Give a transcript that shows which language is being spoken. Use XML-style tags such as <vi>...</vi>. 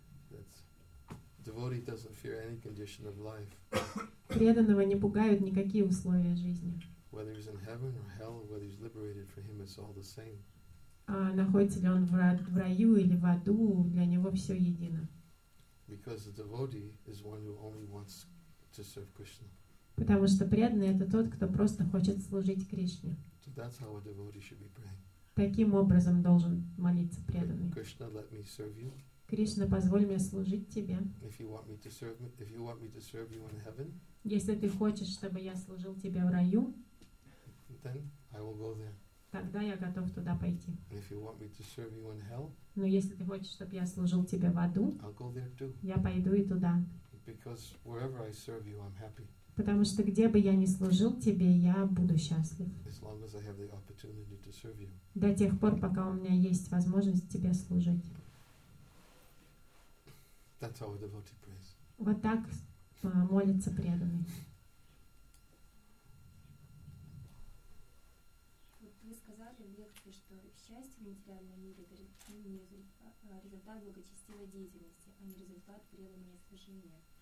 <en>That's devotee doesn't fear any condition of life.</en> <ru>Преданного не пугают никакие условия жизни.</ru> <en>Whether he's in heaven or hell, or whether he's liberated, for him it's all the same.</en> <ru>Находится ли он в раю или в аду, для него все едино.</ru> <en>Because the devotee is one who only wants to serve Krishna.</en> <ru>Потому что преданный — это тот, кто просто хочет служить Кришне.</ru> <en>So that's how a devotee should be praying.</en> <ru>Таким образом должен молиться преданный.</ru> <en>Krishna, let me serve you.</en> <ru>Кришна, позволь мне служить тебе.</ru> <en>If you want me to serve you in heaven.</en> <ru>Если ты хочешь, чтобы я служил тебе в раю.</ru> <en>Then I will go there.</en> <ru>Тогда я готов туда пойти.</ru> <en>If you want me to serve you in hell,</en> <ru>но если ты хочешь, чтобы я служил тебе в аду,</ru> <en>I'll go there too.</en> <ru>Я пойду и туда.</ru> <en>Because wherever I serve you, I'm happy.</en> <ru>Потому что где бы я ни служил тебе, я буду счастлив.</ru> <en>As long as I have the opportunity to serve you.</en> <ru>До тех пор, пока у меня есть возможность тебе служить.</ru> <en>That's how a devotee prays.</en> <ru>Вот так молится преданный. Счастье в материальном мире — это результат благочестивой деятельности, а не результат преданного служения.</ru>